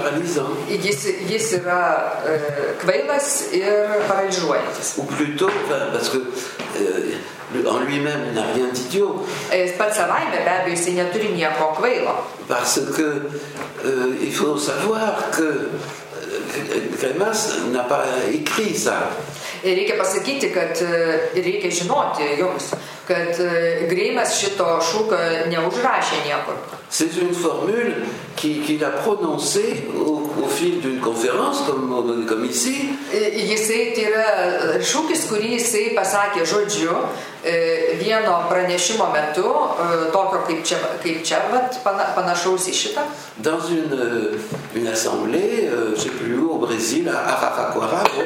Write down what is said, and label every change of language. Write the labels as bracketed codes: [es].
[lt] Jis yra kvailas ir paralyžuojantis. [fr] Ou plutôt, parce que en lui-même n'a rien d'idiot. [lt] Pats savaime, be abejo, jis neturi nieko kvailo. [fr] Parce que il faut savoir que Grémas n'a pas écrit ça. [lt] Et reikia pasakyti, kad reikia žinoti jums, kad Grémas šito šūkio neužrašė niekur. [fr] C'est une formule qu'il a prononcée au fil d'une conférence comme ici. [lt] Jisai tai yra šūkis, kurį jisai pasakė žodžiu vieno pranešimo metu, tokio kaip čia vat, panašaus į šitą. [fr] Dans une assemblée, je sais plus où, au Brésil, à Araraquara.